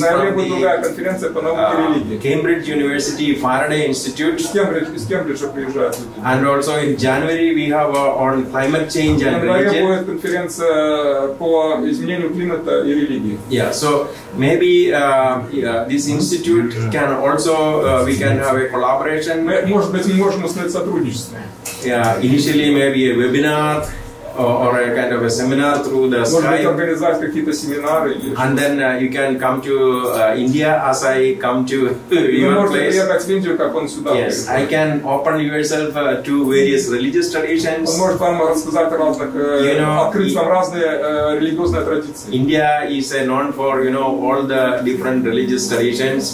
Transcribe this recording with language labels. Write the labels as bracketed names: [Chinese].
[Russian] Наверное, другая конференция по науке и религии. [English] Cambridge University Faraday Institute. [Russian] Из Кембриджа приезжают люди. [English] And also in January we have on climate change and religion. [Russian] Будет конференция по изменению климата и религии. [English] Yeah, so maybe this institute can also we can have a collaboration. [Russian] Может быть, мы можем установить сотрудничество. [English] Yeah, initially maybe a webinar or a kind of a seminar through the Skype. [Russian] Может быть, организовать какие-то семинары. [English] And then you can come to India as I come to your place. [Russian] Можете приехать в Индию, как он сюда. [English] Yes, I can open yourself to various religious traditions. [Russian] Он может вам рассказать о разных, открыть вам разные религиозные традиции. [English] India is known for, you know, all the different religious traditions.